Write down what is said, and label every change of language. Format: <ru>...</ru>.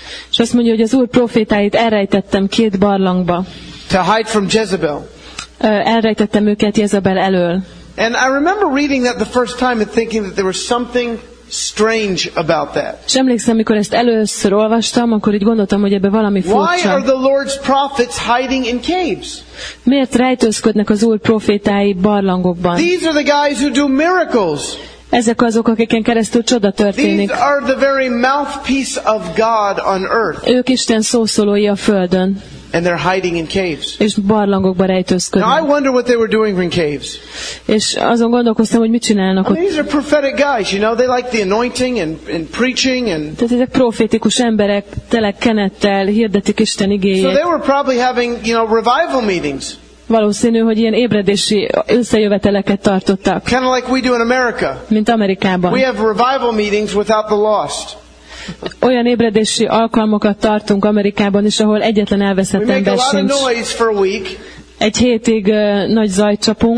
<hu>És azt mondja, hogy az Úr profétáit elrejtettem két barlangba.</hu> <en>To hide from Jezebel.</en> <hu>Elrejtettem őket Jezabel elől.</hu> <en>And I remember reading that the first time and thinking that there was something strange about that.</en> <hu>És emlékszem, amikor ezt először olvastam, akkor így gondoltam, hogy ebbe valami furcsa.</hu> <en>Why are the Lord's prophets hiding in caves?</en> <hu>Miért rejtőzködnek az Úr profétái barlangokban?</hu> <en>These are the guys who do miracles.</en> <hu>Ezek azok, akiken keresztül csoda történik.</hu> <en>These are the very mouthpiece of God on earth.</en> <hu>Ők Isten szószólói a földön.</hu> <en>And they're hiding in caves.</en> <hu>És barlangokba rejtőzködnek.</hu> <en>Now I wonder what they were doing in caves.</en> <hu>És azon gondolkoztam, hogy mit csinálnak ott.</hu> <en>These are prophetic guys, you know, they like the anointing and preaching and.</en> <hu>Tehát ezek profétikus emberek, tele kenettel hirdetik Isten igéjét.</hu> <en>So they were probably having, you know, revival meetings.</en> <hu>Valószínű, hogy ilyen ébredési összejöveteleket tartottak.</hu> <en>Kind of like we do in America.</en> <hu>Mint Amerikában.</hu> <en>We have revival meetings without the lost.</en> <hu>Olyan ébredési alkalmakat tartunk Amerikában is, ahol egyetlen elveszett ember sincs. Egy hétig nagy zajt csapunk.</hu>